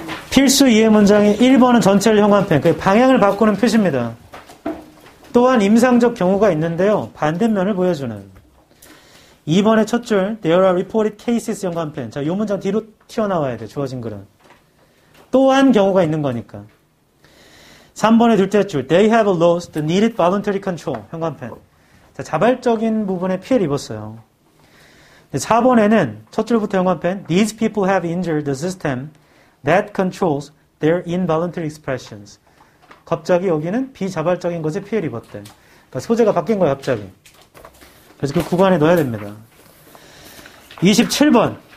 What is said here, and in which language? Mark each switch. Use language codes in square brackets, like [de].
[ko] 필수 이해 문장의 1번은 전체를 형광펜. 그 방향을 바꾸는 표시입니다. 또한 임상적 경우가 있는데요. 반대면을 보여주는. 2번의 첫 줄, [en] There are reported cases [ko] 형광펜. 자, 이 문장 뒤로 튀어나와야 돼, 주어진 글은. 또한 경우가 있는 거니까. 3번의 둘째 줄, [en] They have lost the needed voluntary control 형광펜. [ko] 자, 자발적인 부분에 피해를 입었어요. 4번에는 첫 줄부터 형광펜. [en] These people have injured the system that controls their involuntary expressions. [ko] 갑자기 여기는 비자발적인 것에 피해를 입었대. 그러니까 소재가 바뀐 거야, 갑자기. 그래서 그 구간에 넣어야 됩니다. 27번.